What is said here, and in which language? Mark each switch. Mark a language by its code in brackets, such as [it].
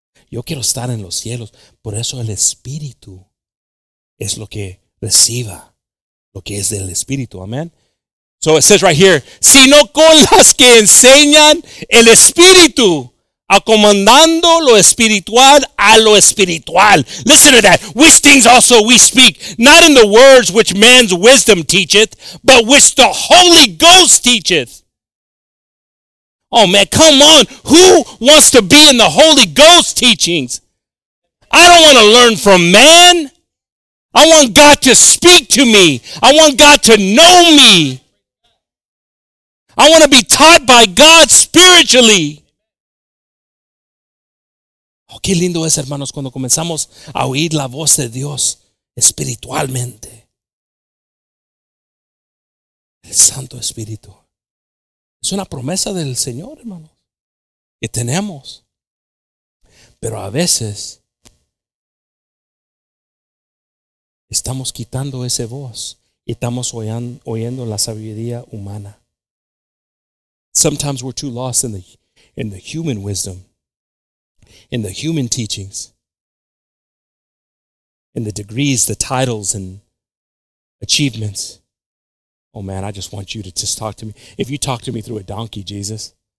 [es] Yo quiero estar en los cielos. Por eso el Espíritu es lo que reciba lo que es del Espíritu. Amén. [en] So it says right here, [es] sino con las que enseñan el Espíritu, acomodando lo espiritual a lo espiritual. [en] Listen to that. Which things also we speak, not in the words which man's wisdom teacheth, but which the Holy Ghost teacheth. Oh man, come on. Who wants to be in the Holy Ghost teachings? I don't want to learn from man. I want God to speak to me. I want God to know me. I want to be taught by God spiritually. [es] Oh, qué lindo es, hermanos, cuando comenzamos a oír la voz de Dios espiritualmente. El Santo Espíritu. Es una promesa del Señor, hermano, que tenemos. Pero a veces estamos quitando esa voz y estamos oyendo la sabiduría humana. [en] Sometimes we're too lost in the human wisdom, in the human teachings, in the degrees, the titles, and achievements. Oh man, I just want you to just talk to me. If you talk to me through a donkey, Jesus.